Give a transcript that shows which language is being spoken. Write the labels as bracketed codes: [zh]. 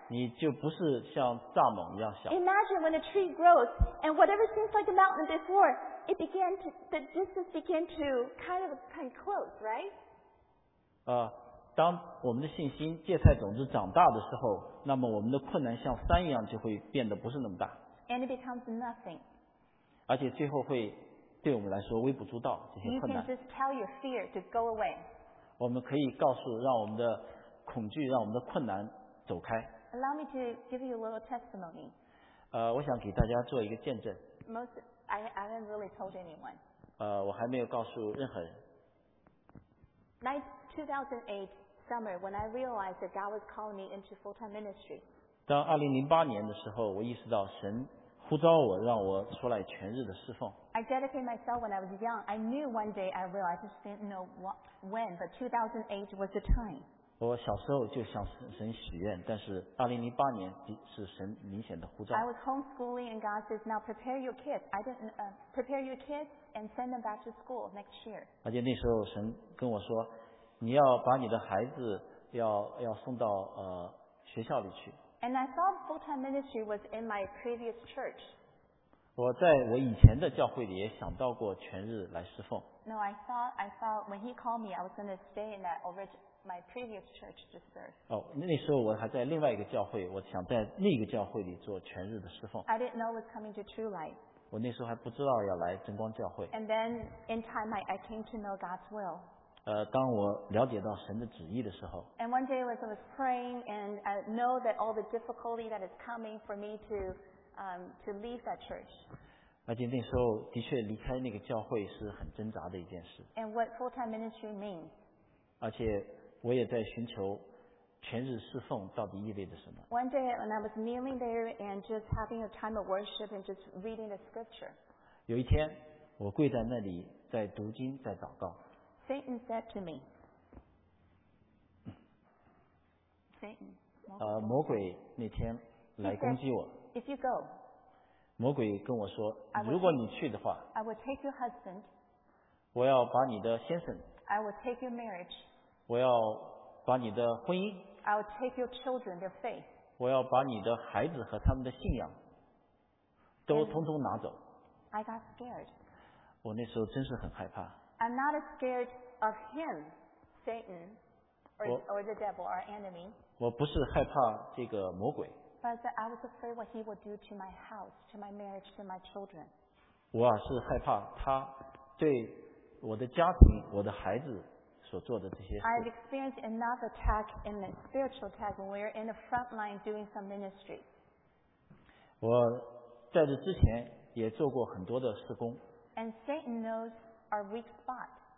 [zh] 你就不是像蚱蜢一样小。 [en] Imagine when a tree grows, and whatever seems like a mountain before, it began to, the distance began to kind of close, right? [zh] 当我们的信心芥菜种子长大的时候那么我们的困难像山一样就会变得不是那么大 [en] and it becomes nothing [zh] 而且最后会对我们来说微不足道这些困难 [en] you can just tell your fear to go away [zh] 我们可以告诉让我们的恐惧让我们的困难走开 [en] allow me to give you a little testimony [zh] 我想给大家做一个见证 [en] most I haven't really told anyone [zh] 我还没有告诉任何人 [en] 2008 summer when I realized that God was calling me into full-time ministry. [zh] 当2008年的时候，我意识到神呼召我，让我出来全日的侍奉。 [en] I dedicated myself when I was young. I knew one day I realized, I just didn't know what, when, but 2008 was the time. [zh] 我小时候就向神许愿，但是2008年是神明显的呼召。 [en] I was homeschooling and God says, now prepare your kids. I didn't prepare your kids and send them back to school next year. [zh] 而且那时候神跟我说。你要把你的孩子 要送到学校里去。 [en] And I thought full-time ministry was in my previous church. [zh] 我在我以前的教会里也想到过全日来侍奉。 [en] No, I thought when he called me, I was going to stay in that over my previous church to serve. [zh] 那时候我还在另外一个教会，我想在那个教会里做全日的侍奉。 [en] I didn't know it was coming to True Light. [zh] 我那时候还不知道要来真光教会。 [en] And then in time, I came to know God's will. [zh] 当我了解到神的旨意的时候 [en] and one day as I was praying and I know that all the difficulty that is coming for me to leave that church [zh] 而且那时候的确离开那个教会是很挣扎的一件事 [en] and what full-time ministry means [zh] 而且我也在寻求全日侍奉到底意味着什么。 [en] One day when I was kneeling there and just having a time of worship and just reading the scripture. [zh] 有一天我跪在那里在读经在祷告。 [en] Satan said to me, Satan, [zh] 魔鬼那天来攻击我。 [en] Said, if you go, [zh] 魔鬼跟我说如果你去的话 [en] I will take your husband. [zh] 我要把你的先生 [en] I will take your marriage [zh] 我要把你的婚姻 [en] I will take your children, their faith [zh] 我要把你的孩子和他们的信仰都通通拿走 [en] I got scared [zh] 我那时候真是很害怕 [en] I'm not as scared of him, Satan or the devil, our enemy [zh] 我不是害怕这个魔鬼 [en] But I was afraid what he would do to my house, to my marriage, to my children [zh] 我是害怕他对我的家庭我的孩子所做的这些事 [en] I've experienced enough attack in the spiritual attack when we're in the front line doing some ministry [zh] 我在这之前也做过很多的事工 [en] and Satan knows our weak spot